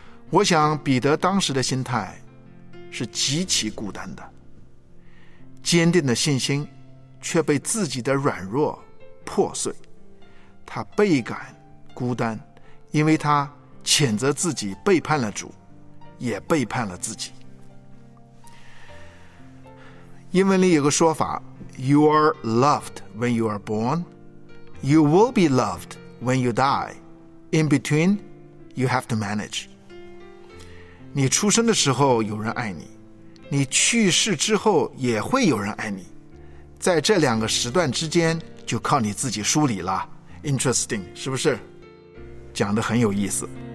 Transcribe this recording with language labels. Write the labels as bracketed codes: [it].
[zh] 我想彼得当时的心态是极其孤单的，坚定的信心却被自己的软弱破碎，他倍感孤单，因为他谴责自己背叛了主，也背叛了自己。英文里有个说法， [en] You are loved when you are born, You will be lovedWhen you die, in between, you have to manage. [zh] 你出生的时候有人爱你，你去世之后也会有人爱你，在这两个时段之间就靠你自己梳理了。 Interesting, 是不是？讲得很有意思。